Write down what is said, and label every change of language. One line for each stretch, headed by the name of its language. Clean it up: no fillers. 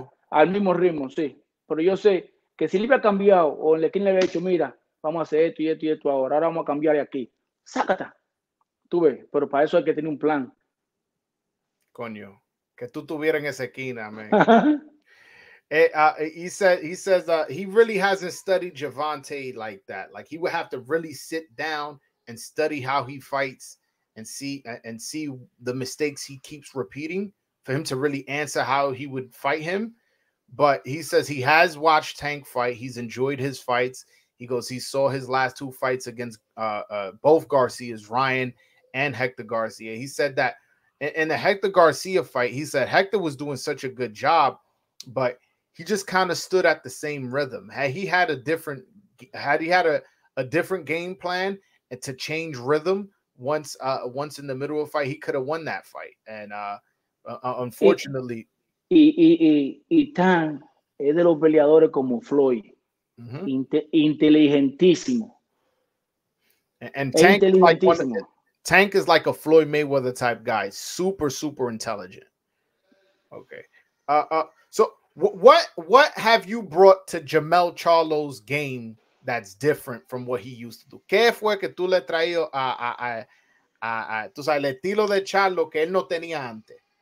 Spanish: Al mismo ritmo, sí. Pero yo sé que si le hubiera cambiado o en la esquina le había dicho, mira, vamos a hacer esto y esto y esto ahora vamos a cambiar de aquí. Sácata. Tú ves, pero para eso hay que tener un plan. Coño, que tú tuvieras en esa esquina, man.
English: he says he really hasn't studied Javante like that. Like he would have to really sit down and study how he fights. And see the mistakes he keeps repeating for him to really answer how he would fight him. But he says he has watched Tank fight. He's enjoyed his fights. He goes, he saw his last two fights against both Garcias, Ryan and Hector Garcia. He said that in the Hector Garcia fight, he said Hector was doing such a good job, but he just kind of stood at the same rhythm. Had he had a different game plan to change rhythm, once in the middle of a fight, he could have won that fight. And unfortunately.
Spanish: Y Tan es de los peleadores como Floyd. Mm-hmm. Inteligentísimo.
English: And Tank is like a Floyd Mayweather type guy. Super, super intelligent. Okay. So what have you brought to Jermell Charlo's game that's different from what he used to do?
Spanish: ¿Qué fue que tú le traído el estilo de Charlo que él no tenía antes?